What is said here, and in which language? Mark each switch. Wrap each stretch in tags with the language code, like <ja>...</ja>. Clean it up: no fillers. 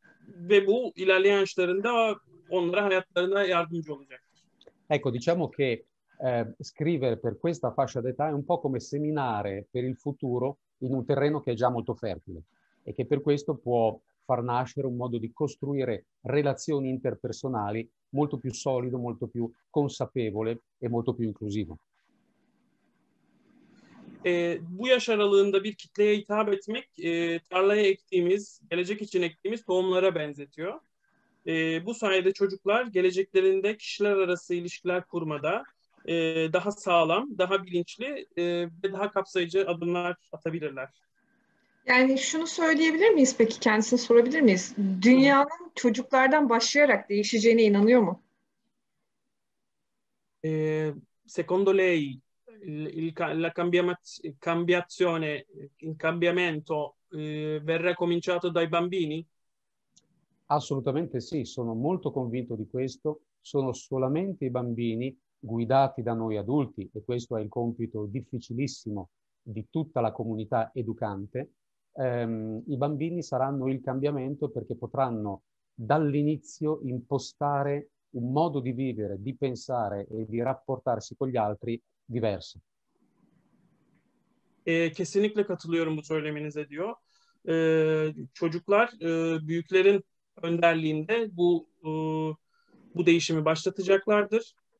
<tr>Ve bu ilerleyen yaşlarında onlara hayatlarına yardımcı olacak.</tr> <it>Ecco, diciamo che scrivere per questa fascia d'età è un po' come seminare per il futuro in un terreno che è già molto fertile e che per questo può far nascere un modo di costruire relazioni interpersonali molto più solido, molto più consapevole e molto più inclusivo.</it> <tr>Bu yaş aralığında bir kitleye hitap etmek, tarlaya ektiğimiz, gelecek için ektiğimiz tohumlara benzetiyor. Bu sayede çocuklar geleceklerinde kişiler arası ilişkiler kurmada, daha sağlam, daha bilinçli ve daha kapsayıcı adımlar atabilirler. Yani şunu söyleyebilir miyiz peki, kendisine sorabilir miyiz? Dünyanın çocuklardan başlayarak değişeceğine inanıyor mu?</tr> <it>Secondo lei, la cambiazione, il cambiamento verrà cominciato dai bambini? Assolutamente sì, sono molto convinto di questo. Sono solamente i bambini guidati da noi adulti, e questo è il compito difficilissimo di tutta la comunità educante. I bambini saranno il cambiamento, perché potranno dall'inizio impostare un modo di vivere, di pensare e di rapportarsi con gli altri diverso.</it> <tr>Kesinlikle katılıyorum bu söyleminize diyor. Çocuklar büyüklerin önderliğinde bu değişimi başlatacaklardır.</tr>